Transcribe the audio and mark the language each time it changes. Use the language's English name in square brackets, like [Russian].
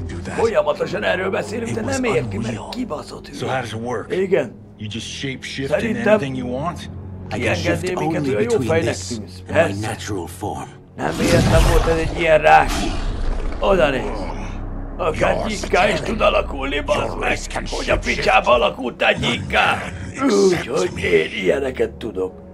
[Hungarian] Folyamatosan erről beszélünk, de nem érti, mert kibaszott hülye. [English] So how does it work? [Hungarian] Igen. [English] You just shapeshift into anything you want? I can shift only between this and my natural form. [Hungarian] Nem értem, volt ez egy ilyen rák. Oda néz. A gyíkká is tud alakulni, bazd meg! Hogy a picsába alakult a gyíkká! Úgyhogy én ilyeneket tudok.